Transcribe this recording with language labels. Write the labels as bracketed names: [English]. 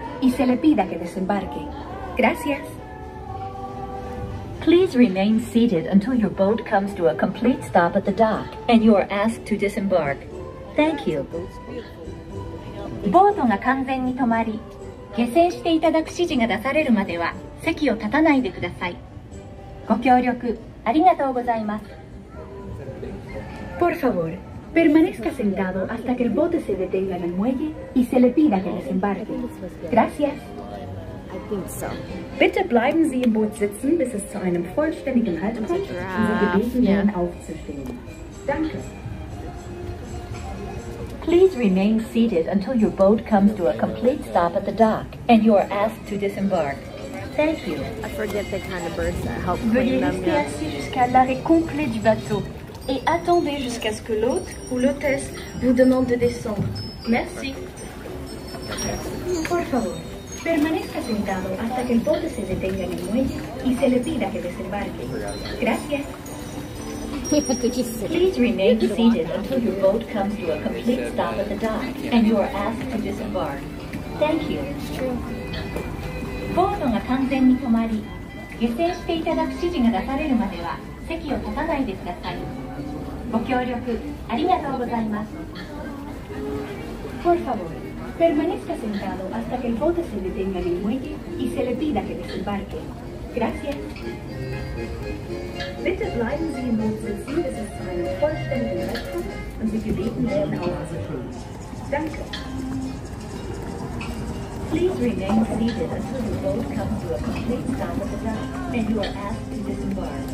[Spanish] se le pida que desembarque. Gracias. [English] Please remain seated until your boat comes to a complete stop at the dock and you are asked to disembark. Thank you. [Japanese] Boat が完全に止まり、下船していただく指示が出されるまでは席を立たないでください。ご協力ありがとうございます。 [Spanish] Por favor, permanezca sentado hasta que el bote se detenga en el muelle y se le pida que desembarque. Gracias. [German] Bitte bleiben Sie im Boot sitzen, bis es zu einem vollständigen Halt kommt, um Sie gebeten werden aufzustehen. Danke. [English] Please remain seated until your boat comes to a complete stop at the dock and you are asked to disembark. Thank you. I forget the kind of berth that helps clean them. [French] Veuillez rester assis jusqu'à l'arrêt complet du bateau et attendez jusqu'à ce que l'hôte ou l'hôtesse vous demande de descendre. Merci. [Spanish] Por favor. Permanezca sentado hasta que el bote se detenga en el muelle y se le pida que desembarque. Gracias. [English] Please remain seated until your boat comes to a complete stop at the dock and you are asked to disembark. Thank you. [Japanese] ボートが完全に止まり、下船していただく指示が出されるまでは席を立たないでください。ご協力ありがとうございます。 [Spanish] Por favor. Permanezca sentado hasta que el bote se detenga en el muelle y se le pida que desembarque. Gracias. [German] Bitte bleiben Sie im Boot sitzen, bis es zu einem vollständigen Halt kommt und Sie gebeten werden aufzustehen. Danke. [English] Please remain seated until the boat comes to a complete stop at the dock and you are asked to disembark.